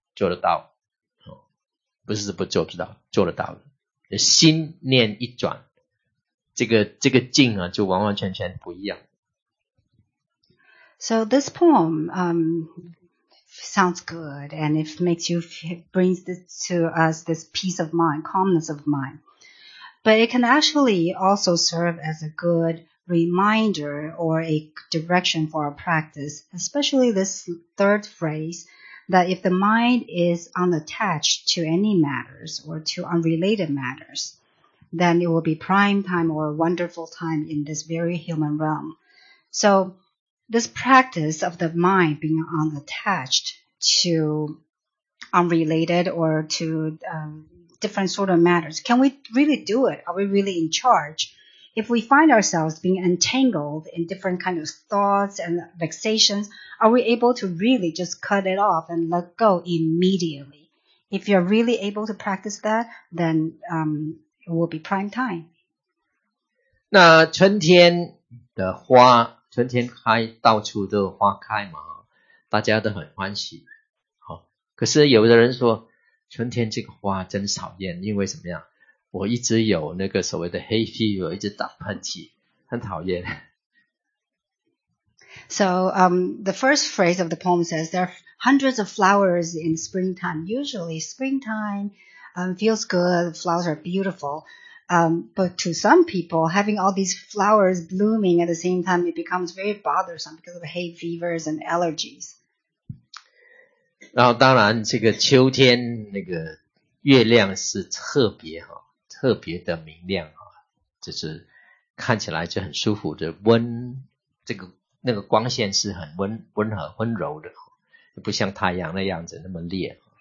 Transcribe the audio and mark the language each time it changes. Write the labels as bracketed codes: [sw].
[zh] 做得到，不是不做不到，做得到的。心念一转，这个境啊，就完完全全不一样。 [en] So this poem, sounds good, and it makes you brings this to us this peace of mind, calmness of mind. But it can actually also serve as a good reminder or a direction for our practice, especially this third phrase, that if the mind is unattached to any matters or to unrelated matters, then it will be prime time or a wonderful time in this very human realm. So this practice of the mind being unattached. To unrelated or to different sort of matters. Can we really do it? Are we really in charge? If we find ourselves being entangled in different kinds of thoughts and vexations, are we able to really just cut it off and let go immediately? If you're really able to practice that, then it will be prime time. [zh] 那春天的花，春天开，到处都花开嘛，大家都很欢喜。好，可是有的人说，春天这个花真讨厌，因为什么样？我一直有那个所谓的黑 fever， 一直打喷嚏，很讨厌。 [en] So, the first phrase of the poem says there are hundreds of flowers in springtime. Usually, springtime, feels good. Flowers are beautiful. But to some people, having all these flowers blooming at the same time, it becomes very bothersome because of hay fevers and allergies. [zh] 然后当然这个秋天那个月亮是特别哈，特别的明亮哈，就是看起来就很舒服的温，这个那个光线是很温和温柔的，不像太阳那样子那么烈。